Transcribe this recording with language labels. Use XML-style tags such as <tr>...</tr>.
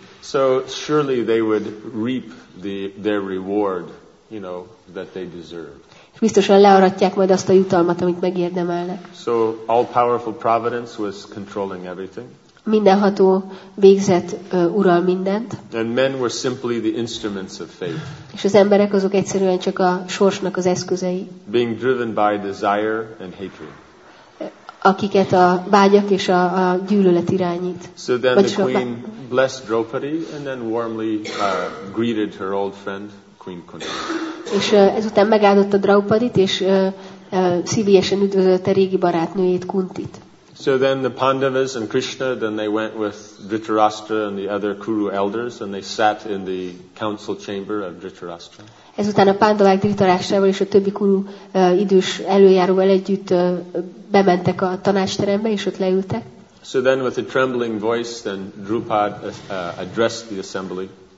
<en>So surely they would reap their reward, you know, that they deserve.</en> <hu>És biztosan learatják majd azt a jutalmat, amit megérdemelnek.</hu> <en>So all powerful providence was controlling everything.</en> <hu>Mindenható végzett ural mindent.</hu> <en>And men were simply the instruments of fate.</en> <hu>És az emberek azok egyszerűen csak a sorsnak az eszközei.</hu> <en>Being driven by desire and hatred.</en> <hu>Akiket a vágyak és a gyűlölet irányít.</hu> <en>So then the queen blessed Draupadi and then warmly greeted her old friend Queen Kunti.</en> <hu>És ezután megáldotta Draupadit és szívélyesen üdvözölte régi barátnőjét Kuntit.</hu> <en>So then the Pandavas and Krishna, then they went with Dhritarashtra and the other Kuru elders, and they sat in the council chamber of Dhritarashtra.</en> <hu>Ezután a Pandavák Dhritarashtrával és a többi Kuru idős előjáróval együtt bementek a tanácsterembe, és ott leültek.</hu> <en>So then with a trembling voice, then Drupad addressed the assembly.</en>